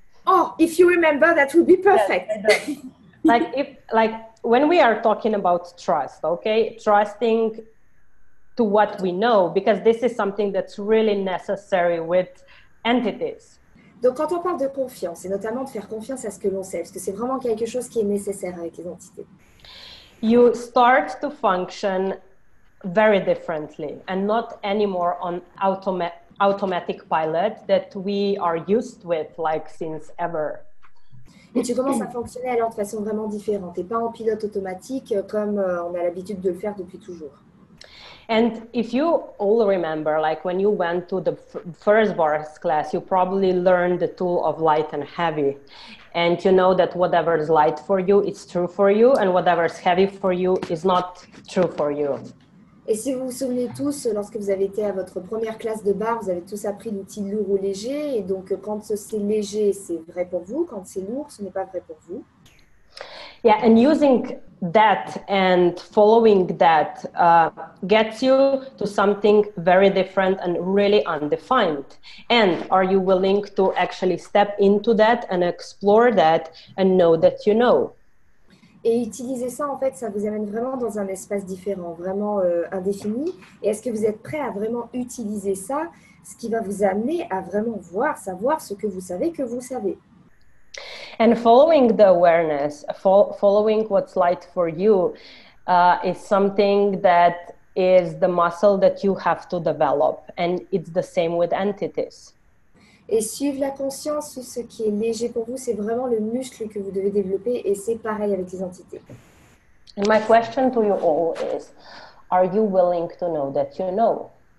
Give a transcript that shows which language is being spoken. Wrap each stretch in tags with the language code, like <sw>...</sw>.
<en>Oh, if you remember, that would be perfect. Like when we are talking about trust, okay, trusting to what we know, because this is something that's really necessary with entities.</en> <fr>Donc quand on parle de confiance, et notamment de faire confiance à ce que l'on sait, parce que c'est vraiment quelque chose qui est nécessaire avec les entités.</fr> <en>You start to function very differently and not anymore on automatic pilot that we are used with like since ever.</en> <fr>Et tu commences à fonctionner alors de façon vraiment différente et pas en pilote automatique comme on a l'habitude de le faire depuis toujours.</fr> <en>And if you all remember, like when you went to the first bars class, you probably learned the tool of light and heavy. And you know that whatever is light for you, it's true for you. And whatever is heavy for you is not true for you.</en> <fr>Et si vous vous souvenez tous, lorsque vous avez été à votre première classe de bar, vous avez tous appris l'outil lourd ou léger. Et donc, quand c'est léger, c'est vrai pour vous. Quand c'est lourd, ce n'est pas vrai pour vous.</fr> <en>Yeah, and using that and following that gets you to something very different and really undefined. And are you willing to actually step into that and explore that and know that you know?</en> <fr>Et utiliser ça, en fait, ça vous amène vraiment dans un espace différent, vraiment indéfini. Et est-ce que vous êtes prêt à vraiment utiliser ça, ce qui va vous amener à vraiment voir, savoir ce que vous savez que vous savez?</fr> <en>And following the awareness, following what's light for you, is something that is the muscle that you have to develop. And it's the same with entities.</en> <fr>Et suivre la conscience, ce qui est léger pour vous, c'est vraiment le muscle que vous devez développer. Et c'est pareil avec les entités.</fr> <en>And my question to you all is, are you willing to know that you know?</en>